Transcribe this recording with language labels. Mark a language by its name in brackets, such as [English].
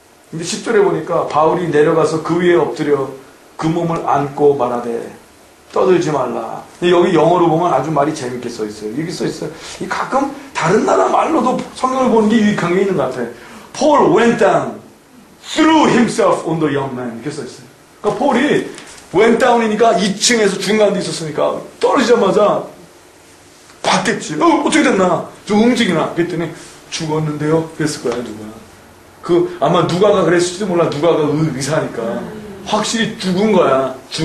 [Korean] 근데 10절에 보니까 바울이 내려가서 그 위에 엎드려 그 몸을 안고 말하되 떠들지 말라. 근데 여기 영어로 보면 아주 말이 재밌게 써 있어요. 이렇게 써 있어요. 가끔 다른 나라 말로도 성경을 보는 게 유익한 게 있는 것 같아요. [English] Paul went down, threw himself on the young man. [Korean] 이렇게 써 있어요. 그러니까 폴이 went down이니까 2층에서 중간에 있었으니까 떨어지자마자 봤겠지. 어떻게 됐나? 좀 움직이나? 그랬더니 죽었는데요? 그랬을 거야, 누가. 그 아마 누가가 그랬을지도 몰라. 누가가 의사니까 확실히 죽은 거야.